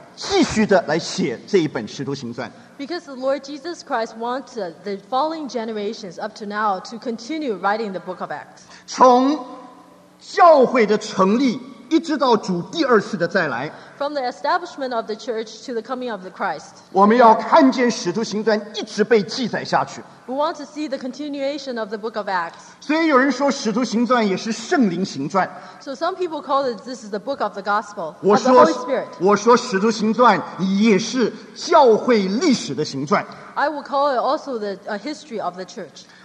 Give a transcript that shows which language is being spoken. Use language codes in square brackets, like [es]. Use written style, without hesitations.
[zh] 因为主耶稣要历世历代的基督徒，要历世历代的教会继续的来写这一本使徒行传。 [en] Because the Lord Jesus Christ wants the following generations up to now to continue writing the book of Acts. [zh] 从教会的成立一直到主第二次的再来, [en] from the establishment of the church to the coming of the Christ, [zh] 我们要看见使徒行传一直被记载下去。 [en] We want to see the continuation of the book of Acts. [zh] 所以有人说使徒行传也是圣灵行传。 [en] So some people call it this is the book of the gospel, [zh] 我说, [en] of the Holy Spirit. [zh] 我说使徒行传也是教会历史的行传。 [en] I will call it also the history of the church.